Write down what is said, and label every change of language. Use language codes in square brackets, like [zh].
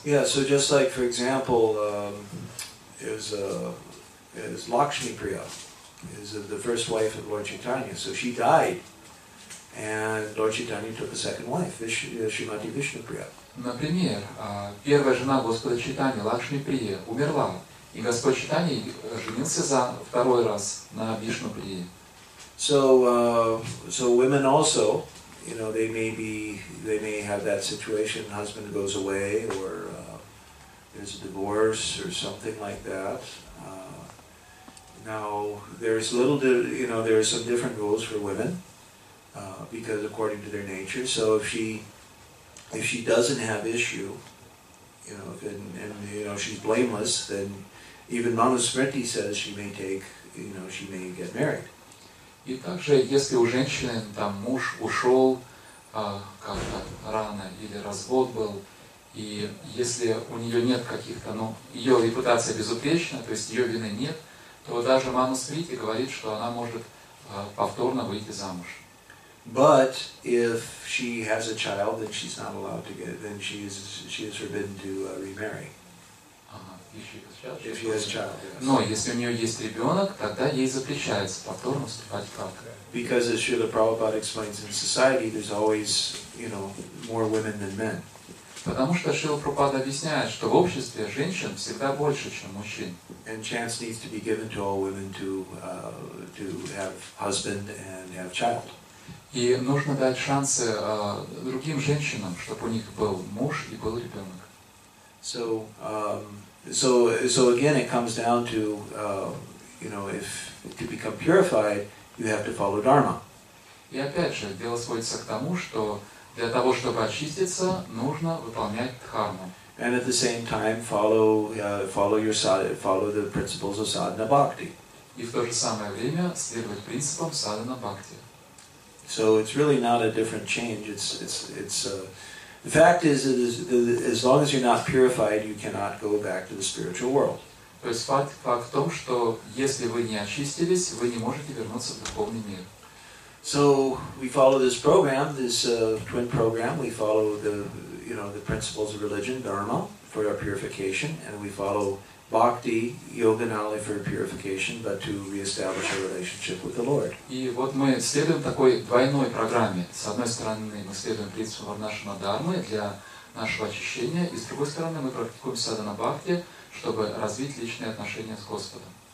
[en] Yeah, so just like, for example, is Lakshmi Priya, is the first wife of Lord Chaitanya. So she died, and Lord Chaitanya took a second wife, Shrimati Vishnu Priya. [ru] Например, первая жена Господа Чайтаньи, Лакшми Прия, умерла, и Господь Чайтанья женился за второй раз на Вишну Прии. [en] So women also, you know, they may have that situation, husband goes away, or there's a divorce, or something like that. Now, there are some different rules for women, because according to their nature. So if she doesn't have issue, and she's blameless, then even Manusmriti says she may take, she may get married. [ru] И также, если у женщины там муж ушел как-то рано, или развод был, и если у нее нет каких-то, ее репутация безупречна, то есть ее вины нет, то даже Манусмрити говорит, что она может повторно выйти замуж. [en] But if she has a child, then she's not allowed to get, then she is forbidden to remarry. If she has a child, yes. [ru] Но если у нее есть ребенок, тогда ей запрещается повторно вступать в брак. [en] Because as Srila Prabhupada explains, in society there's always, more women than men. [ru] Потому что Шрила Прабхупада объясняет, что в обществе женщин всегда больше, чем мужчин. [en] And chance needs to be given to all women to have husband and have child. [ru] И нужно дать шансы другим женщинам, чтобы у них был муж и был ребенок. [en] So again, it comes down to, if to become purified, you have to follow dharma. [ru] И опять же, дело сводится к тому, что для того, чтобы очиститься, нужно выполнять дхарму. [en] And at the same time follow the principles of sadhana bhakti. [ru] И в то же самое время следовать принципам садхана бхакти. [en] So it's really not a different change. The fact is that as long as you're not purified, you cannot go back to the spiritual world. [ru] То есть факт в том, что если вы не очистились, вы не можете вернуться в духовный мир. [en] So we follow this program, this twin program. We follow the principles of religion, dharma, for our purification, and we follow bhakti, yoga, not only for purification, but to reestablish a relationship with the Lord. [ru] И вот мы следуем такой двойной программе. С одной стороны, мы следуем принципам варнашрама дармы для нашего очищения, и с другой стороны, мы практикуем садхана бхакти, чтобы развить личные отношения с Господом.